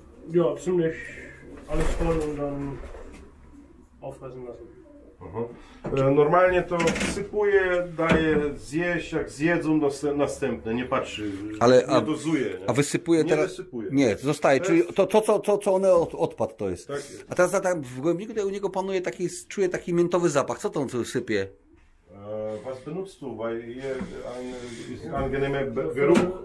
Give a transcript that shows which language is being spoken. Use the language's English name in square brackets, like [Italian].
[German] Ja, ziemlich alles voll und dann auffressen lassen. [Polish] Normalnie to sypuje, daje zjeść, jak zjedzą następne, nie patrzy, ale, nie dozuje. Nie? A wysypuje teraz? Nie wysypuje. Nie, zostaje, czyli to co one odpadł to jest. Tak jest. A teraz w głębniku tutaj u niego panuje taki, czuję taki miętowy zapach, co to on sypie? [German] Was benutzt du, weil hier ein angenehmer Geruch.